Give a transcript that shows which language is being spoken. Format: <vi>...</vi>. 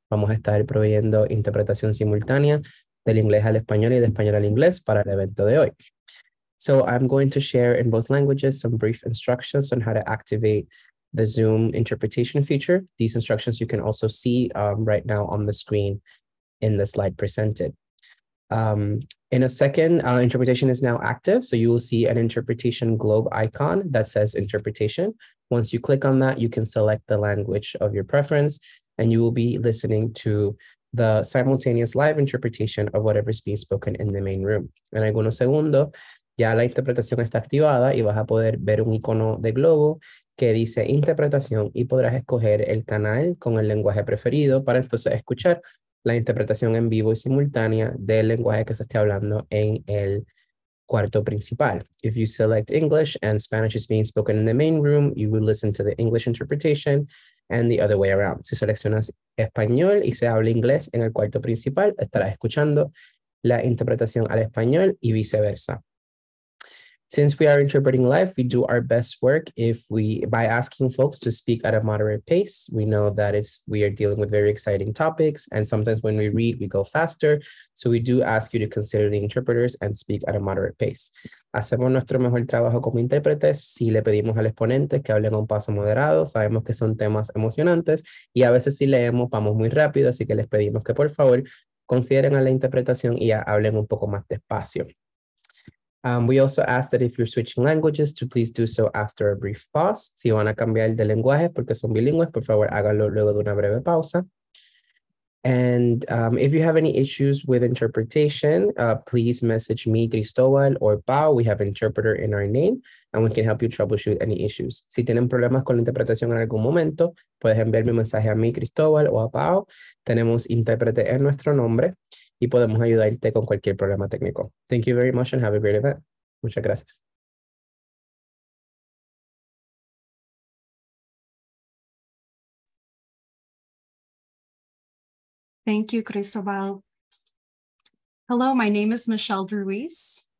<es>Vamos a estar proveyendo interpretación simultánea del inglés al español y de español al inglés para el evento de hoy.</es> <en>So I'm going to share in both languages some brief instructions on how to activate the Zoom interpretation feature. These instructions you can also see right now on the screen in the slide presented. In a second, interpretation is now active. So you will see an interpretation globe icon that says interpretation. Once you click on that, you can select the language of your preference and you will be listening to the simultaneous live interpretation of whatever is being spoken in the main room.</en> <es>En algunos segundos, ya la interpretación está activada y vas a poder ver un icono de globo que dice interpretación y podrás escoger el canal con el lenguaje preferido para entonces escuchar la interpretación en vivo y simultánea del lenguaje que se esté hablando en el cuarto principal.</es> <en>If you select English and Spanish is being spoken in the main room, you will listen to the English interpretation and the other way around.</en> <es>Si seleccionas español y se habla inglés en el cuarto principal, estarás escuchando la interpretación al español y viceversa.</es> <en>Since we are interpreting live, we do our best work by asking folks to speak at a moderate pace. We know that we are dealing with very exciting topics, and sometimes when we read, we go faster. So we do ask you to consider the interpreters and speak at a moderate pace.</en> <es>Hacemos nuestro mejor trabajo como intérpretes si le pedimos al exponente que hable a un paso moderado. Sabemos que son temas emocionantes, y a veces si leemos, vamos muy rápido, así que les pedimos que por favor consideren a la interpretación y hablen un poco más despacio.</es> <en>We also ask that if you're switching languages to please do so after a brief pause.</en> <es>Si van a cambiar de lenguaje porque son bilingües, por favor háganlo luego de una breve pausa.</es> <en>And if you have any issues with interpretation, please message me, Cristóbal, or Pau. We have an interpreter in our name and we can help you troubleshoot any issues.</en> <es>Si tienen problemas con la interpretación en algún momento, puedes enviarme un mensaje a mí, Cristóbal, o a Pau. Tenemos intérprete en nuestro nombre. Y podemos ayudarte con cualquier problema técnico.</es> <en>Thank you very much and have a great event.</en> <es>Muchas gracias.</es> <en>Thank you, Cristobal. Hello, my name is Michelle Ruiz.</en>